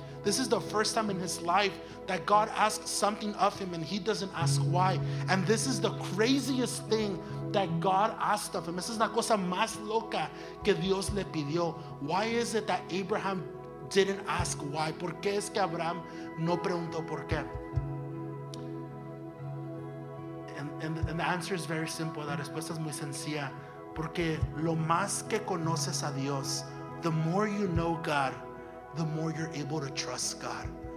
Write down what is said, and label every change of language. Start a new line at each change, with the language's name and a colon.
English: This is the first time in his life that God asks something of him and he doesn't ask why. And this is the craziest thing that God asked of him.
Spanish: Esa es la cosa más loca que Dios le pidió.
English: Why is it that Abraham didn't ask why?
Spanish: ¿Por qué es que Abraham no preguntó por qué?
English: And the answer is very simple.
Spanish: La respuesta es muy sencilla. Porque lo más que conoces a Dios,
English: the more you know God, the more you're able to trust God.